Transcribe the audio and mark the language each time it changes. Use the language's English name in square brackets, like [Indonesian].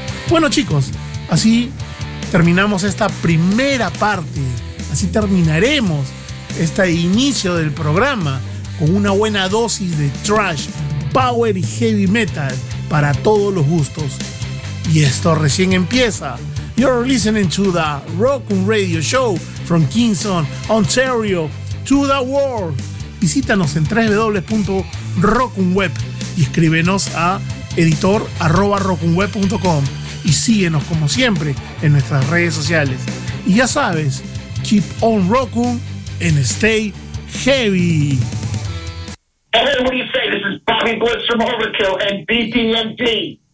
[Spanish] Bueno, chicos, así terminamos esta primera parte, así terminaremos este inicio del programa con una buena dosis de thrash, power y heavy metal para todos los gustos. Y esto recién empieza. [English] You're listening to the Rock Radio Show from Kingston, Ontario, to the world. [Spanish] Visítanos en www.rockunweb y escríbenos a editor@rockunweb.com y síguenos como siempre en nuestras redes sociales. Y ya sabes, [English] keep on rocking and stay heavy. Hey, what do you say? This is Bobby Blitz from Overkill and BPMD.